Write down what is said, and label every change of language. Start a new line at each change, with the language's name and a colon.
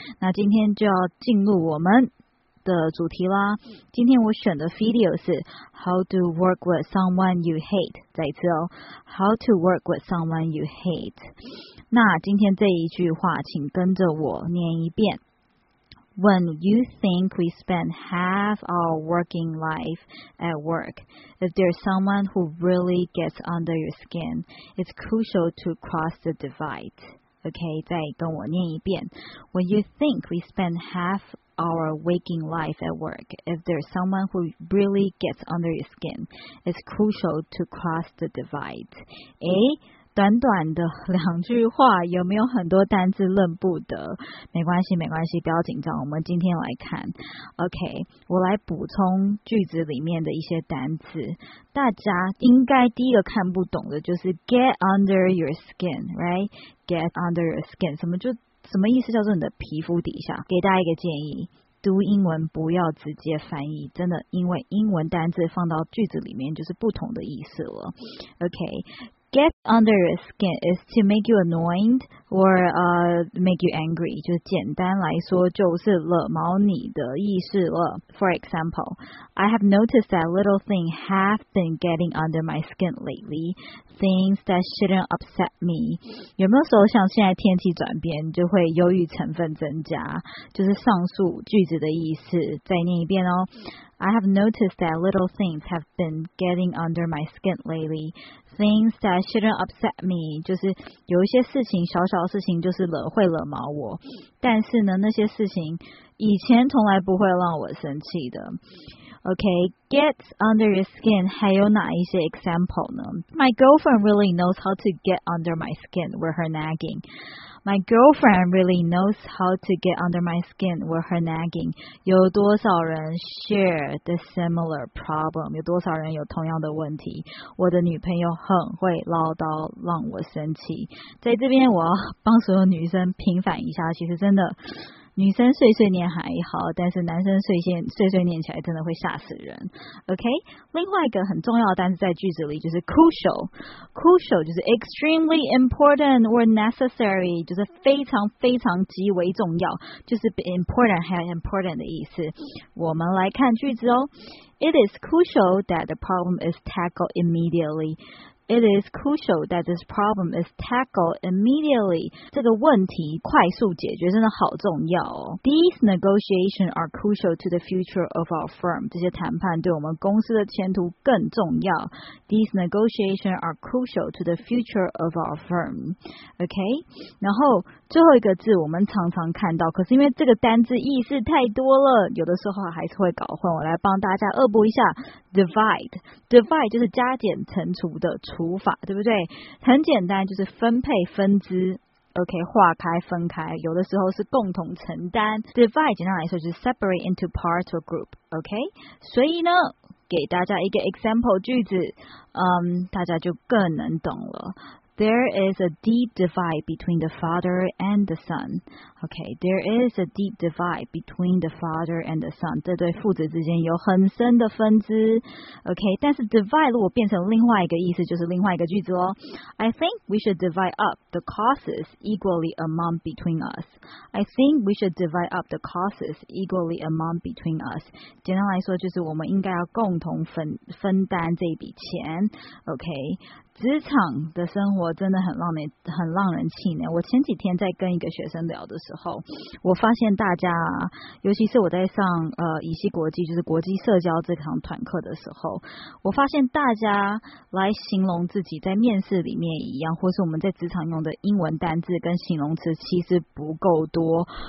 Chinese: 那今天就要进入我们的主题啦。今天我选的
English: video
Chinese: 是
English: How to work with someone you hate。
Chinese: 再一次哦，
English: How to work with someone you hate。
Chinese: 那今天这一句话，请跟着我念一遍。
English: When you think we spend half our working life at work, if there's someone who really gets under your skin, it's crucial to cross the divide.
Chinese: OK，再跟我念一遍。
English: When you think we spend half our waking life at work, if there's someone who really gets under your skin, it's crucial to cross the divide.
Chinese: 诶，短短的两句话，有没有很多单字认不得？没关系，没关系，不要紧张。我们今天来看，OK，我来补充句子里面的一些单字。大家应该第一个看不懂的就是
English: get under your skin， right？
Chinese: get under your skin，什么意思？叫做你的皮肤底下。给大家一个建议，读英文不要直接翻译，真的，因为英文单字放到句子里面就是不同的意思了。
English: OK。 Get under your skin is to make you annoyed or make you angry。
Chinese: 就简单来说，就是惹毛你的意思了。
English: For example, I have noticed that little things have been getting under my skin lately. Things that shouldn't upset me。
Chinese: 有没有时候像现在天气转变，就会忧郁成分增加？就是上述句子的意思。再念一遍哦。
English: I have noticed that little things have been getting under my skin lately. Things that shouldn't upset me，
Chinese: 就是有一些事情，小小的事情，就是惹毛我。但是呢，那些事情以前从来不会让我生气的。
English: OK，get under your skin
Chinese: 还有哪一些
English: example
Chinese: 呢？
English: My girlfriend really knows how to get under my skin with her nagging. My girlfriend really knows how to get under my skin with her nagging.
Chinese: 有多少人
English: share the similar problem？
Chinese: 有多少人有同样的问题？我的女朋友很会唠叨，让我生气。在这边，我要帮所有女生平反一下，其实真的，女生碎碎念还好，但是男生碎碎念起来真的会吓死人。 OK，另外一个很重要的单词在句子里就是 crucial，crucial 就是
English: extremely important or necessary，
Chinese: 就是非常非常极为重要，就是 important 还有 important 的意思。我们来看句子哦，
English: It is crucial that the problem is tackled immediately. It is crucial that this problem is tackled immediately.
Chinese: 这个问题快速解决真的好重要哦。
English: These negotiations are crucial to the future of our firm.
Chinese: 这些谈判对我们公司的前途更重要。
English: These negotiations are crucial to the future of our firm. OK?
Chinese: 然后最后一个字我们常常看到，可是因为这个单字意思太多了，有的时候还是会搞混。我来帮大家恶补一下 divide，divide 就是加减乘除的除法，对不对？很简单，就是分配、分支。 OK 划开分开，有的时候是共同承担。 Divide 简单来说是
English: separate into parts or group，
Chinese: OK。所以呢给大家一个 example 句子，大家就更能懂了。
English: There is a deep divide between the father and the son. Okay, there is a deep divide between the father and the son.
Chinese: 这对父子之间有很深的分支。 Okay, 但是 divide 如果变成另外一个意思，就是另外一个句子哦。
English: I think we should divide up the causes equally among between us. I think we should divide up the causes equally among between us.
Chinese: 简单来说，就是我们应该要共同分担这笔钱。
English: Okay.
Chinese: 职场的生活真的很让人气馁。我前几天在跟一个学生聊的时候，我发现大家，尤其是我在上以西国际，就是国际社交这堂团课的时候，我发现大家来形容自己在面试里面一样，或是我们在职场用的英文单字跟形容词其实不够多。